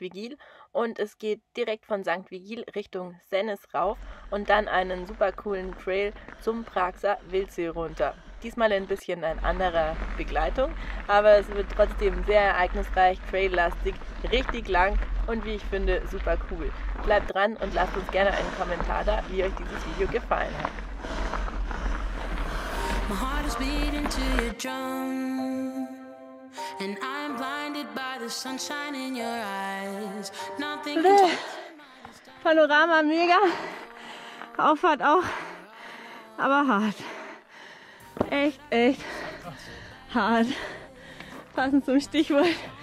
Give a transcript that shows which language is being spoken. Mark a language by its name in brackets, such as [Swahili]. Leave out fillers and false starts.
[German] Vigil und es geht direkt von St. Vigil Richtung Sennes rauf und dann einen super coolen Trail zum Pragser Wildsee runter. Diesmal ein bisschen in anderer Begleitung, aber es wird trotzdem sehr ereignisreich, traillastig, richtig lang und wie ich finde super cool. Bleibt dran und lasst uns gerne einen Kommentar da, wie euch dieses Video gefallen hat. [English] My heart is beating to your drum, and I'm blinded by the sunshine in your eyes. Nothing can Panorama mega. [German] Auffahrt auch, aber hart. Echt, echt hart. Passend zum Stichwort.